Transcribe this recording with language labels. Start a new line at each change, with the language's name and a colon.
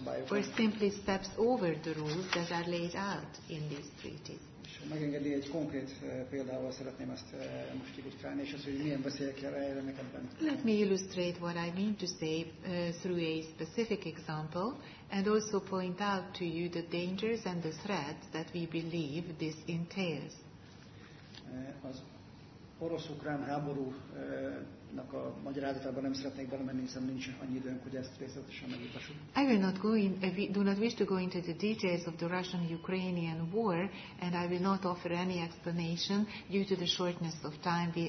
English: Or simply steps over the rules that are laid out in these treaties.
Hungarian: Megengedni egy konkrét példával szeretném ezt most illusztrálni, és az, hogy milyen veszélyek jelennek ebben.
English: Let me illustrate what I mean to say through a specific example, and also point out to you the dangers and the threats that we believe this entails.
Hungarian: Az orosz-ukrán háborúnak a magyarázatába nem szeretnék belemenni, hiszen nincs annyi időnk, hogy ezt részletesen megvitassuk.
English: I will not go in, do not wish to go into the details of the Russian-Ukrainian war, and I will not offer any explanation due to the shortness of time.